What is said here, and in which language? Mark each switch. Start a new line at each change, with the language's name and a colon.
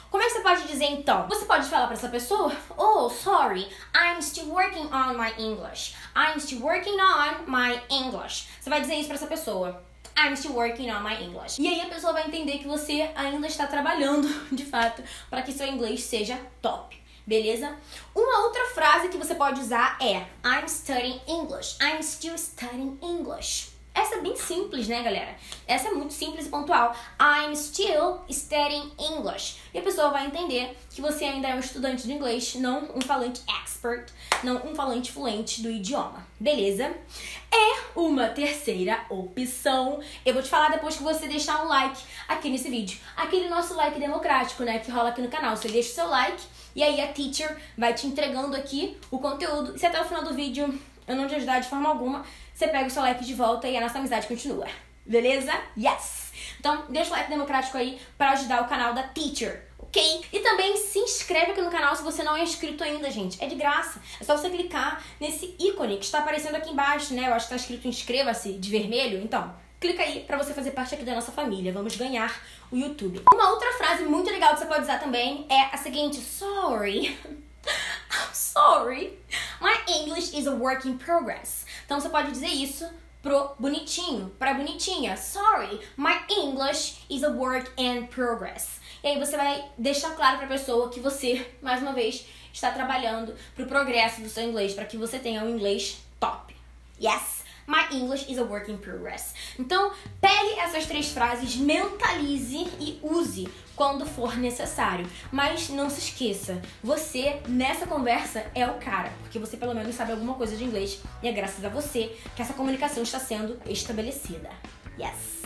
Portuguese: Como é que você pode dizer, então? Você pode falar pra essa pessoa,
English: oh, sorry, I'm still working on my English. I'm still working on my English.
Portuguese: Você vai dizer isso pra essa pessoa.
English: I'm still working on my English.
Portuguese: E aí a pessoa vai entender que você ainda está trabalhando, de fato, pra que seu inglês seja top. Beleza? Uma outra frase que você pode usar é
English: I'm studying English. I'm still studying English.
Portuguese: Essa é bem simples, né, galera? Essa é muito simples e pontual.
English: I'm still studying English.
Portuguese: E a pessoa vai entender que você ainda é um estudante de inglês, não um falante expert, não um falante fluente do idioma. Beleza? É uma terceira opção. Eu vou te falar depois que você deixar um like aqui nesse vídeo. Aquele nosso like democrático, né, que rola aqui no canal. Você deixa o seu like e aí a teacher vai te entregando aqui o conteúdo. E se até o final do vídeo eu não te ajudar de forma alguma, você pega o seu like de volta e a nossa amizade continua. Beleza? Yes! Então, deixa o like democrático aí pra ajudar o canal da Teacher, ok? E também se inscreve aqui no canal se você não é inscrito ainda, gente. É de graça. É só você clicar nesse ícone que está aparecendo aqui embaixo, né? Eu acho que está escrito inscreva-se de vermelho. Então, clica aí pra você fazer parte aqui da nossa família. Vamos ganhar o YouTube. Uma outra frase muito legal que você pode usar também é a seguinte.
English: Sorry. Sorry. My English is a work in progress.
Portuguese: Então você pode dizer isso pro bonitinho, pra bonitinha.
English: Sorry, my English is a work in progress.
Portuguese: E aí você vai deixar claro pra pessoa que você, mais uma vez, está trabalhando pro progresso do seu inglês, pra que você tenha um inglês top.
English: Yes, my English is a work in progress.
Portuguese: Então pegue essas três frases, mentalize e use quando for necessário. Mas não se esqueça, você nessa conversa é o cara, porque você pelo menos sabe alguma coisa de inglês e é graças a você que essa comunicação está sendo estabelecida. Yes!